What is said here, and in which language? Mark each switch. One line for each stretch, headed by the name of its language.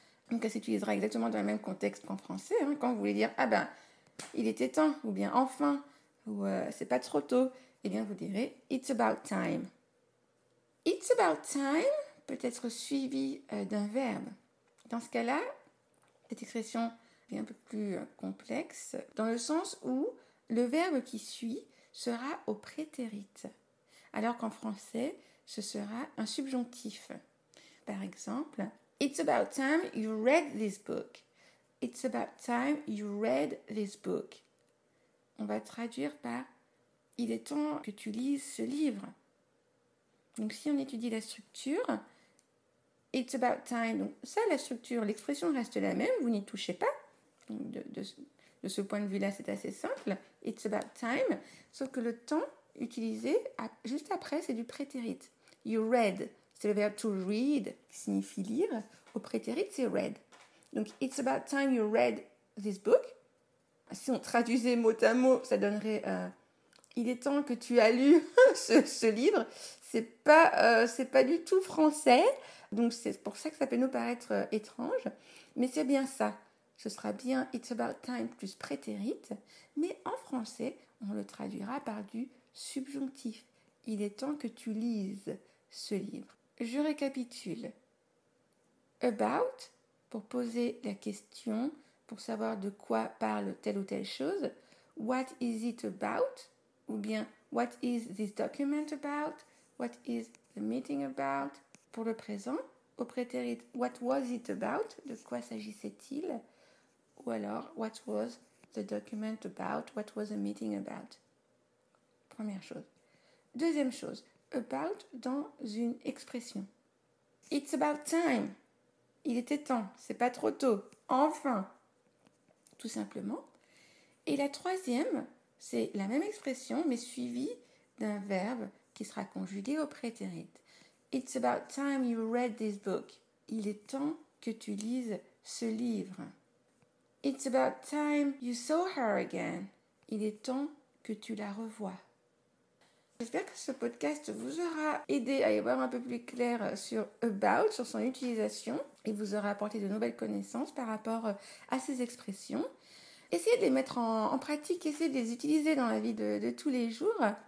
French: Donc, elle s'utilisera exactement dans le même contexte qu'en français, hein, quand vous voulez dire « ah ben, il était temps » ou bien « enfin » ou « c'est pas trop tôt », eh bien, vous direz «
English: it's about time ».« It's about time
French: » peut être suivi d'un verbe. Dans ce cas-là, cette expression est un peu plus complexe, dans le sens où le verbe qui suit sera au prétérit, alors qu'en français, ce sera un subjonctif. Par exemple,
English: It's about time you read this book. It's about time you read this book.
French: On va traduire par Il est temps que tu lises ce livre. Donc si on étudie la structure,
English: It's about time.
French: Donc ça, la structure, l'expression reste la même, vous n'y touchez pas. De ce point de vue-là, c'est assez simple.
English: It's about time.
French: Sauf que le temps utilisé juste après, c'est du prétérit.
English: You read.
French: C'est le verbe to read qui signifie lire. Au prétérit, c'est read. Donc,
English: it's about time you read this book.
French: Si on traduisait mot à mot, ça donnerait il est temps que tu as lu ce livre. C'est pas du tout français. Donc, c'est pour ça que ça peut nous paraître étrange. Mais c'est bien ça. Ce sera bien
English: it's about time
French: plus prétérit. Mais en français, on le traduira par du subjonctif. Il est temps que tu lises ce livre. Je récapitule. About, pour poser la question, pour savoir de quoi parle telle ou telle chose.
English: What is it about? Ou bien, what is this document about? What is the meeting about?
French: Pour le présent, au prétérit,
English: what was it about?
French: De quoi s'agissait-il? Ou alors,
English: what was the document about? What was the meeting about?
French: Première chose. Deuxième chose. About dans une expression.
English: It's about time.
French: Il était temps. C'est pas trop tôt. Enfin. Tout simplement. Et la troisième, c'est la même expression, mais suivie d'un verbe qui sera conjugué au prétérit.
English: It's about time you read this book.
French: Il est temps que tu lises ce livre.
English: It's about time you saw her again.
French: Il est temps que tu la revoies. J'espère que ce podcast vous aura aidé à y voir un peu plus clair sur About, sur son utilisation, et vous aura apporté de nouvelles connaissances par rapport à ces expressions. Essayez de les mettre en pratique, essayez de les utiliser dans la vie de tous les jours.